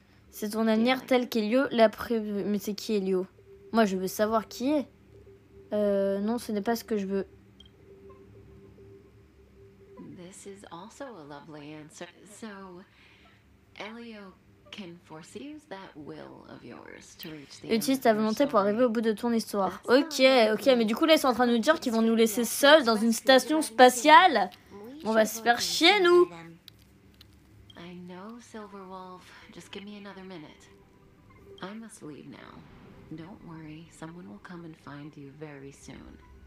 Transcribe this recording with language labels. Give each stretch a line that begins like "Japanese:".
French: C'est ton avenir tel qu'Elio l'a prévu. Mais c'est qui Elio? Moi, je veux savoir qui est. Non, ce n'est pas ce que je veux.
English: Is also a lovely answer. So, Elio can force use that will of yours to reach the.
French: Utilise ta volonté pour arriver au bout de ton histoire. Ok, ok, mais du coup là ils sont en train de nous dire qu'ils vont nous laisser seuls dans une station spatiale. On va se faire chier nous.
English: I know, Silver Wolf. Just give me another minute. I must leave now. Don't worry, someone will come and find you very soon.